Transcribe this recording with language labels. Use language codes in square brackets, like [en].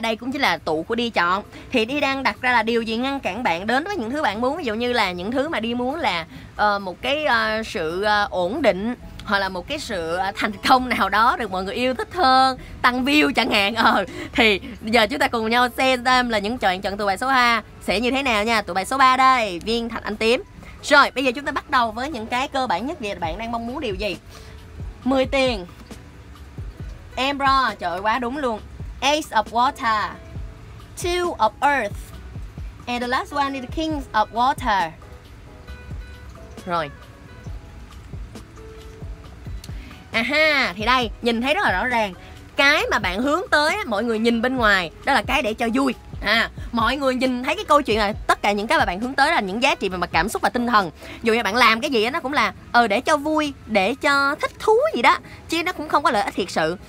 [vi] Đây cũng chính là tụ của Đi chọn. Thì Đi đang đặt ra là điều gì ngăn cản bạn đến với những thứ bạn muốn. Ví dụ như là những thứ mà Đi muốn là một cái sự ổn định, hoặc là một cái sự thành công nào đó, được mọi người yêu thích hơn, tăng view chẳng hạn. Thì giờ chúng ta cùng nhau xem là những chọn tụ bài số 2 sẽ như thế nào nha. Tụ bài số 3 đây, viên thạch anh tím. Rồi, bây giờ chúng ta bắt đầu với những cái cơ bản nhất. Vậy bạn đang mong muốn điều gì? 10 tiền, Emperor, trời ơi, quá đúng luôn. [en] Ace of Water, Two of Earth, and the last one is the King of Water. [vi] Rồi. Aha, thì đây, nhìn thấy rất là rõ ràng. Cái mà bạn hướng tới, mọi người nhìn bên ngoài, đó là cái để cho vui. Mọi người nhìn thấy cái câu chuyện là tất cả những cái mà bạn hướng tới là những giá trị về mặt cảm xúc và tinh thần. Dù như bạn làm cái gì đó, nó cũng là để cho vui, để cho thích thú gì đó, chứ nó cũng không có lợi ích thiệt sự.